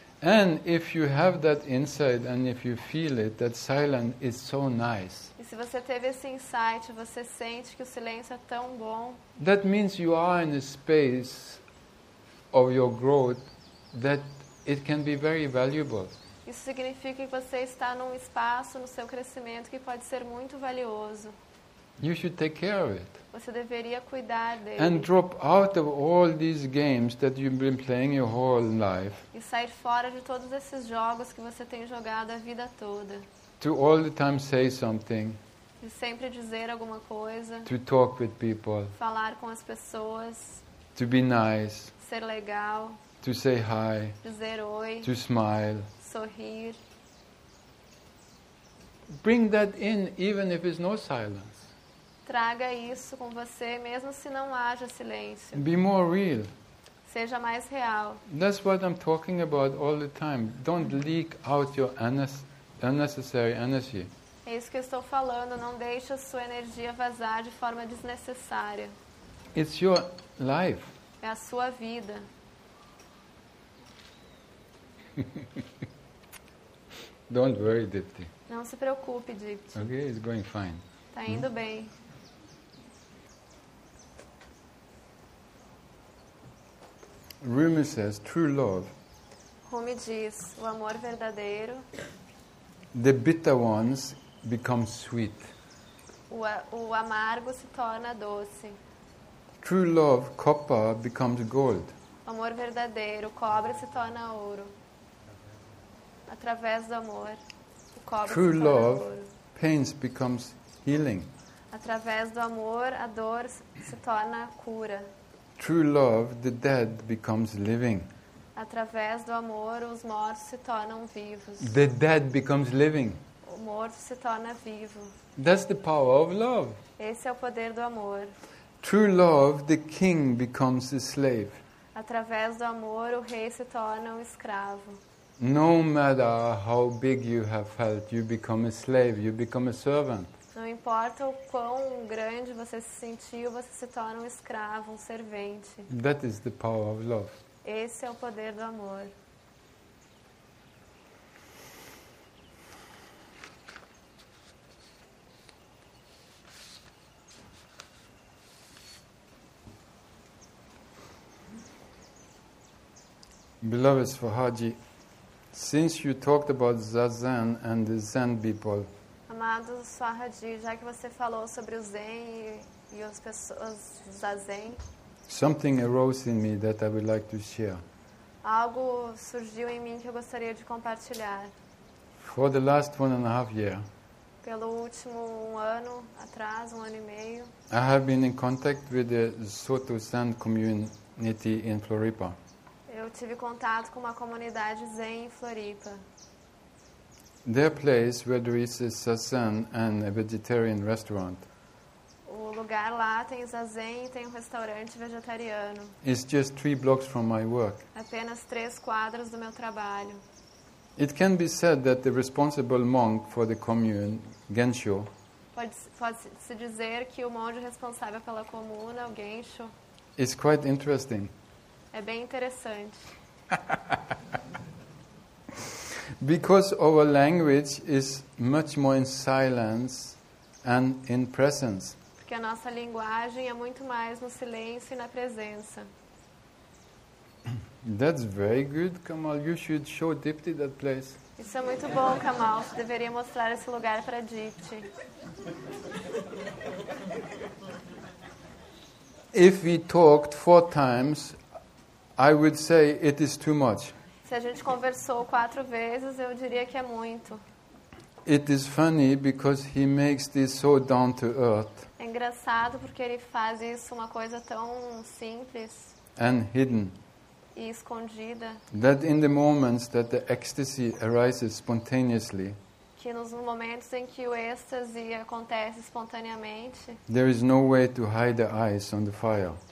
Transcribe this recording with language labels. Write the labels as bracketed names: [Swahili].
[English] And if you have that insight and if you feel it, that silence is so nice. [Portuguese] E se você teve esse insight, você sente que o silêncio é tão bom. [English] That means you are in a space of your growth that it can be very valuable. [Portuguese] Isso significa que você está num espaço no seu crescimento que pode ser muito valioso. [English] You should take care of it. [Portuguese] Você deveria cuidar dele. [English] And drop out of all these games that you've been playing your whole life. [Portuguese] E sair fora de todos esses jogos que você tem jogado a vida toda. [English] To all the time say something. [Portuguese] E sempre dizer alguma coisa. [English] To talk with people. [Portuguese] Falar com as pessoas. [English] To be nice. [Portuguese] Ser legal. [English] To say hi. [Portuguese] Dizer oi. [English] To smile. [Portuguese] Sorrir. [English] Bring that in even if it's no silence. [Portuguese] Traga isso com você, mesmo se não haja silêncio. [English] Be more real. [Portuguese] Seja mais real. [English] That's what I'm talking about all the time. Don't leak out your unnecessary energy. [Portuguese] É isso que eu estou falando. Não deixe a sua energia vazar de forma desnecessária. [English] It's your life. [Portuguese] É a sua vida. [English] Don't worry, Dipti. [Portuguese] Não se preocupe, Dipti. [English] Okay, it's going fine. [Portuguese] Tá indo bem. [English] Rumi says, true love. [Portuguese] Rumi diz, o amor verdadeiro. [English] The bitter ones become sweet. [Portuguese] O amargo se torna doce. [English] True love, copper becomes gold. [Portuguese] O amor verdadeiro, o cobre se torna ouro. Através do amor, o cobre [English] true [Portuguese] se torna [English] love, True love, pains becomes healing. [Portuguese] Através do amor, a dor se torna cura. [English] True love, the dead becomes living. [Portuguese] Através do amor, os mortos se tornam vivos. [English] The dead becomes living. [Portuguese] O morto se torna vivo. [English] That's the power of love. [Portuguese] Esse é o poder do amor. [English] True love, the king becomes a slave. [Portuguese] Através do amor, o rei se torna um escravo. [English] No matter how big you have felt, you become a slave, you become a servant. [Portuguese] Não importa o quão grande você se sentiu, você se torna um escravo, um servente. [English] That is the power of love. [Portuguese] Esse é o poder do amor. [English] Beloved Swahaji, Since you talked about Zazen and the Zen people. [Portuguese] Amado Swaraji, já que você falou sobre o Zen e as pessoas Zazen. [English] Something arose in me that I would like to share. [Portuguese] Algo surgiu em mim que eu gostaria de compartilhar. [English] For the last 1.5 years. [Portuguese] Pelo último ano atrás, um ano e meio. [English] I have been in contact with the Soto Zen community in Floripa. [Portuguese] Eu tive contato com uma comunidade Zen em Floripa. [English] Their place where there is a Zazen and a vegetarian restaurant. [Portuguese] O lugar lá tem Zazen e tem um restaurante vegetariano. [English] It's just 3 blocks from my work. [Portuguese] Apenas 3 quadras do meu trabalho. [English] It can be said that the responsible monk for the commune, Gensho. [Portuguese] Pode-se dizer que o monge responsável pela comuna, o Gensho. [English] Is quite interesting. [Portuguese] É bem interessante. [English] Because our language is much more in silence and in presence. [Portuguese] Porque a nossa linguagem é muito mais no silêncio e na presença. [English] That's very good, Kamal. You should show Dipti that place. [Portuguese] Isso é muito bom, Kamal. Você deveria mostrar esse lugar para Dipti. [English] If we talked 4 times, I would say it is too much. [Portuguese] Se a gente conversou 4 vezes, eu diria que é muito. [English] It is funny because he makes this so down to earth. [Portuguese] É engraçado porque ele faz isso uma coisa tão simples. [English] And hidden. [Portuguese] E escondida. [English] That in the moments that the ecstasy arises spontaneously. [Portuguese] Que nos momentos em que o êxtase acontece espontaneamente. [English] There is no way to hide the eyes on the fire.